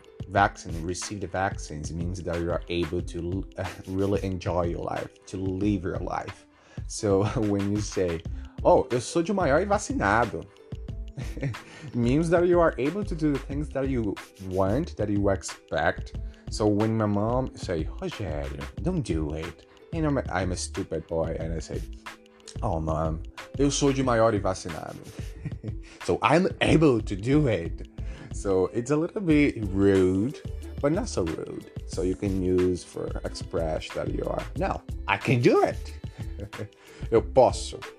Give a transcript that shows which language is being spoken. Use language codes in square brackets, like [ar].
[en] Vaccine, receive the vaccines means that you are able to really enjoy your life, to live your life. So when you say, oh, [pt] eu sou de maior e vacinado, [en] means that you are able to do the things that you want, that you expect. So when my mom say, Rogério, don't do it. And I'm a stupid boy. And I say, oh, mom, [pt] eu sou de maior e vacinado. [en] So I'm able to do it. So it's a little bit rude, but not so rude. So you can use for express that you are. No, I can do it. [pt] Eu posso.